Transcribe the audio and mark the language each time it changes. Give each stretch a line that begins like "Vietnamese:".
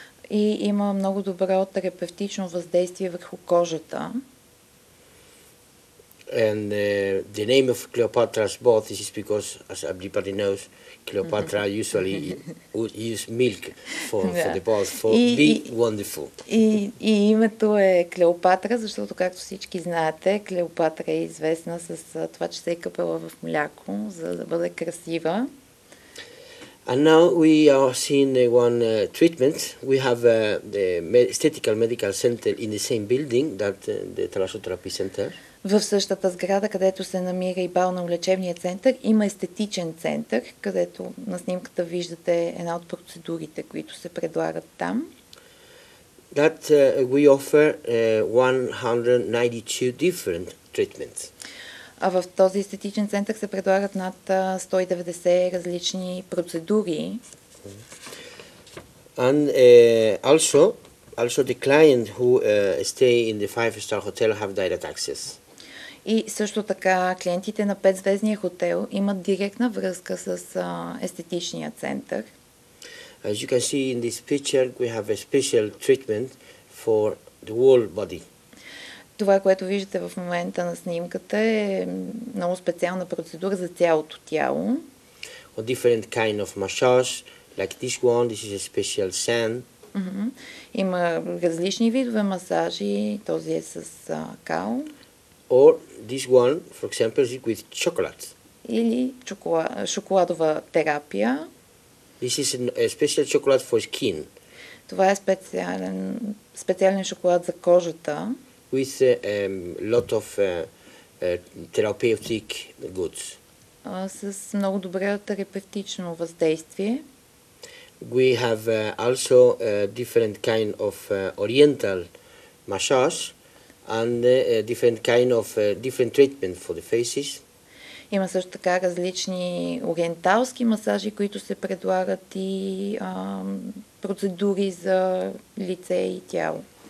Bulgarian: И има много добро терапевтично въздействие върху кожата.
English: And the name of Cleopatra's bath is because, as everybody knows, Cleopatra usually would use milk for the bath for be wonderful.
Bulgarian: И името е Клеопатра, защото, както всички знаете, Клеопатра е известна с това, че се е къпела в мляко, за да бъде красива.
English: And now we are seeing one treatment. We have the Aesthetical Medical Center in the same building that the Thalassotherapy Center.
Bulgarian: В същата сграда, където се намира и балнеолечебният център, има естетичен център, където на снимката виждате една от процедурите, които се предлагат там.
English: That we offer 192 different treatments.
Bulgarian: А в този естетичен център се предлагат над 190 различни процедури.
English: And also the client who stay in the five star hotel have direct access.
Bulgarian: И също така клиентите на петзвездния хотел имат директна връзка с естетичния център.
English: As you can see in this picture, we have a special treatment for the whole body.
Bulgarian: Това, което виждате в момента на снимката, е много специална процедура за цялото тяло.
English: A different kind of massage, like this one, this is a special sand.
Bulgarian: Има различни видове масажи, този е с кал.
English: Or this one, for example, is with chocolate.
Bulgarian: Или шоколадова терапия.
English: This is a special chocolate for skin.
Bulgarian: Това е специален шоколад за кожата.
English: With a lot of therapeutic goods.
Bulgarian: С много добре терапевтично въздействие.
English: We have also different kind of oriental massage and different kind of different treatment for the faces.
Bulgarian: Има също така различни ориенталски масажи, които се предлагат и процедури за лице и тяло.